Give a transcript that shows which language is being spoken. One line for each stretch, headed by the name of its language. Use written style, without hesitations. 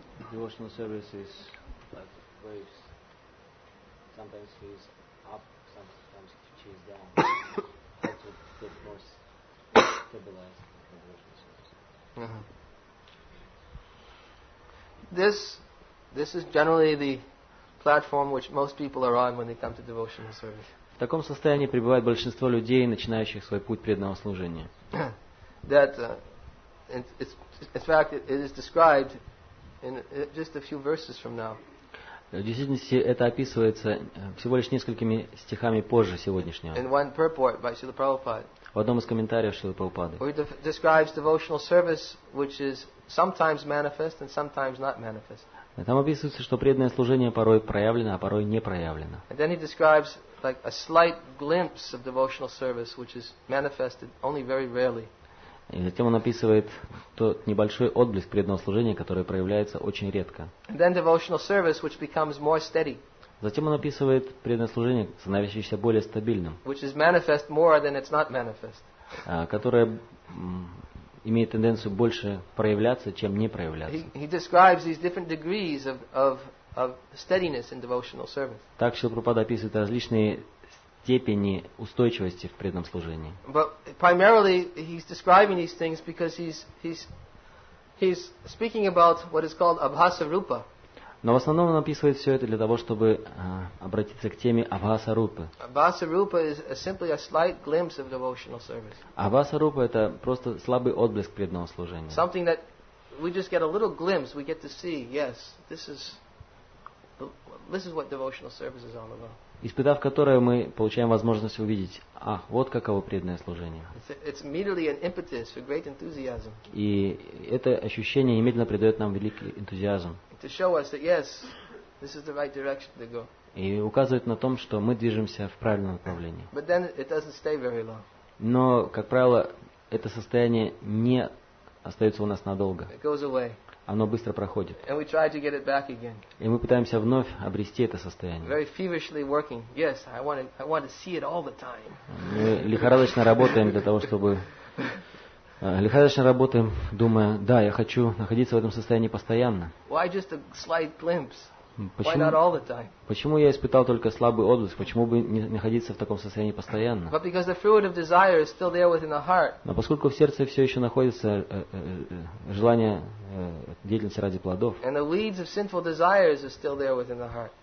English: devotional services, but waves. Sometimes he is up, sometimes he is down. How to get more stabilized in the devotional service? This is generally the platform which most people are on when they come to devotional service.
Russian: В таком состоянии пребывает большинство людей, начинающих свой путь преданного служения.
English: That in fact it is described in just a few verses from now.
Russian: В действительности это описывается всего лишь несколькими стихами позже сегодняшнего.
English: In one purport by Srila Prabhupada.
Russian: В одном из комментариев Шрилы Прабхупады.
English: Where he describes devotional service which is sometimes manifest and sometimes not manifest.
Russian: Там описывается, что преданное служение порой проявлено, а порой не проявлено.
English: And then he describes like a slight glimpse of devotional service which is manifested only very rarely.
Russian: И затем он описывает тот небольшой отблеск преданного служения, которое проявляется очень редко.
English: And then devotional service which becomes more steady.
Russian: Затем он описывает преданное служение, становящееся более стабильным.
English: Which is manifest more than it's not manifest.
Russian: Которое имеет тенденцию больше проявляться, чем не проявляться.
English: He describes these different degrees of steadiness in devotional service.
Russian: Так Шрила Прабхупада описывает различные степени устойчивости в преданном служении.
English: But primarily he's describing these things because he's speaking about what is called abhasa rupa.
Russian: Но в основном он описывает все это для того, чтобы обратиться к теме абхаса рупы.
English: Абхаса рупа is simply a slight glimpse of devotional service.
Russian: Абхаса рупа это просто слабый отблеск преданного служения.
English: Something that we just get a little glimpse, we get to see, yes, this is what devotional service is all about.
Russian: Испытав которое, мы получаем возможность увидеть, ах, вот каково преданное служение.
English: It's immediately an impetus for great enthusiasm.
Russian: И это ощущение немедленно придает нам великий энтузиазм.
English: To show us that yes, this is the right direction to go.
Russian: И указывает на том, что мы движемся в правильном направлении.
English: But then it doesn't stay very long.
Russian: Но, как правило, это состояние не остается у нас надолго.
English: It goes away.
Russian: Оно быстро проходит.
English: And we try to get it back again.
Russian: И мы пытаемся вновь обрести это состояние.
English: Very feverishly working. Yes, I want to see it all the time.
Russian: Мы лихорадочно работаем для того, чтобы лихорадочно работаем, думая, да, я хочу находиться в этом состоянии постоянно.
English: Why just a slight glimpse? Why not all the time?
Russian: Почему я испытал только слабый отблеск? Почему бы не находиться в таком состоянии постоянно?
English: But because the fruit of desire is still there within the heart.
Russian: Но поскольку в сердце все еще находится желание деятельности ради плодов.
English: And the weeds of sinful desires are still there within the heart.